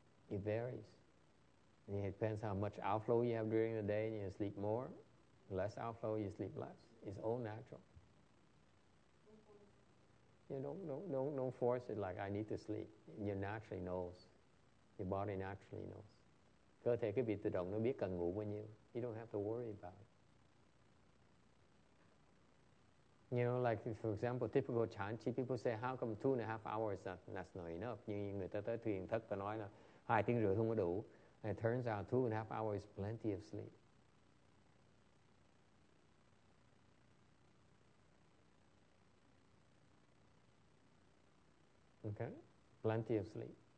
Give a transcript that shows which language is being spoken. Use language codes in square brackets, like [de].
[en] It varies. And it depends how much outflow you have during the day, and you sleep more. Less outflow, you sleep less. It's all natural. Don't force it like I need to sleep. Your naturally knows. Your body naturally knows. [vi] Cơ thể cái vị tự động nó biết cần ngủ bao nhiêu. [en] You don't have to worry about it. For example, typical Chan Chi, people say, how come 2.5 hours, that's not enough? [vi] Nhưng người ta tới thiền thất ta nói là 2.5 tiếng không có đủ. [en] And it turns out 2.5 hours is plenty of sleep. Okay? Plenty of sleep.